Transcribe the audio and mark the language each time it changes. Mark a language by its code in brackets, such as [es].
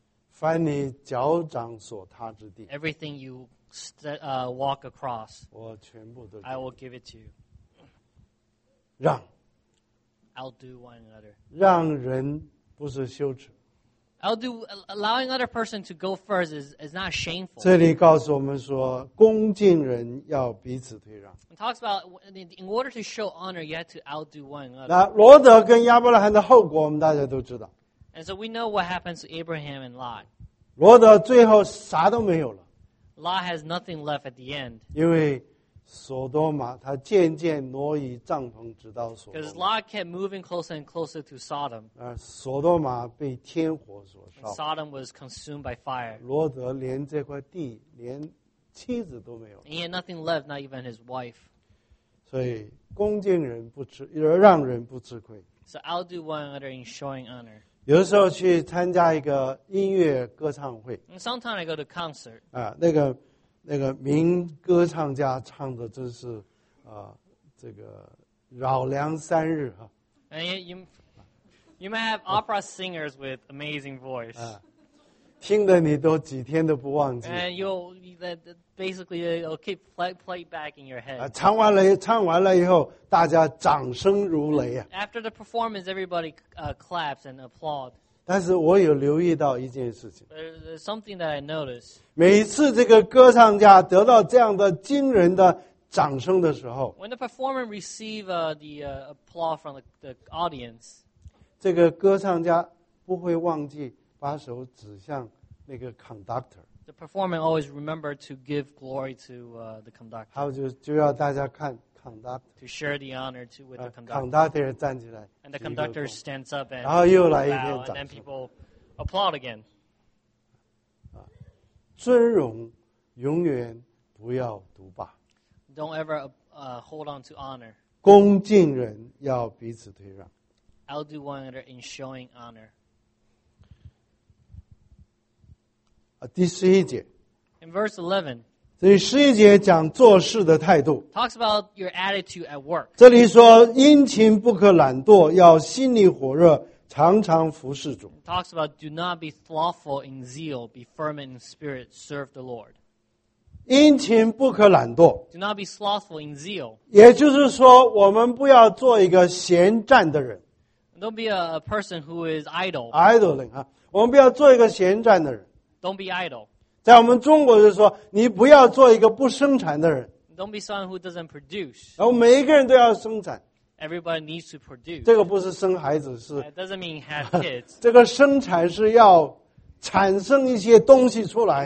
[zh] 凡你脚掌所踏之地, [en] everything you walk across, [zh] 我全部都, [en] I will give it to you. [zh] 让, [en] outdo one another. [zh] 让人不是羞耻。 [en] Allowing other person to go first is not shameful. [zh] 这里告诉我们说, 恭敬人要彼此退让。 [en] It talks about in order to show honor, you have to outdo one another. [zh] 那罗德跟亚伯拉罕的后果我们大家都知道。 [en] And so we know what happens to Abraham and Lot. [zh] 罗德最后啥都没有了。 [en] Lot has nothing left at the end. [zh] 因为 索多玛他渐渐挪移帐篷直到索多玛。 [en] Because Lot kept moving closer and closer to Sodom. [zh] 索多玛被天火所烧。 [en] Sodom was consumed by fire. [zh] 罗德连这块地, 连妻子都没有。 [en] He had nothing left, not even his wife. [zh] 所以恭敬人不吃, 让人不吃亏。 [en] So I'll do one another in showing honor. [zh] 有时候去参加一个音乐歌唱会。 [en] And sometimes I go to concert. [zh] 那个民歌唱家唱的真是, 这个扰梁三日啊。 [en] And you might have opera singers with amazing voice. [zh] 听得你都几天都不忘记。 [en] And basically it'll keep play back in your head. [zh] 唱完了以后, 大家掌声如雷啊。 [en] After the performance, everybody claps and applaud. [zh] 但是我有留意到一件事情, [en] there's something that I noticed. [zh] 每一次这个歌唱家得到这样的惊人的掌声的时候, [en] when the performer receives the applause from the audience, [zh] 这个歌唱家不会忘记把手指向那个conductor. [en] The performer always remembers to give glory to the conductor. [zh] 还有就要大家看, [en] to share the honor to with the conductor. And the conductor stands up and bows, and then people applaud again. [zh] 尊荣永远不要独霸。 [en] Don't ever hold on to honor. [zh] 恭敬人要彼此退让。 [en] I'll do one another in showing honor. [zh] 第十一节。 [en] In verse 11. [zh] 所以十一节讲做事的态度。 [en] Talks about your attitude at work. [zh] 这里说殷勤不可懒惰，要心里火热。常常服侍主。 [en] It talks about do not be slothful in zeal, be fervent in spirit, serve the Lord. [zh] 殷勤不可懒惰。 [en] Do not be slothful in zeal. [zh] 也就是说，我们不要做一个闲站的人。 [en] Don't be a person who is idle. [zh] Idling 啊，我们不要做一个闲站的人。 [en] Don't be idle. [zh] 在我们中国就是说，你不要做一个不生产的人。 [en] Don't be someone who doesn't produce. [zh] 然后每一个人都要生产。 [en] Everybody needs to produce. [zh] 这个不是生孩子, 是, [en] that doesn't mean have kids. [zh] 这个生产是要产生一些东西出来。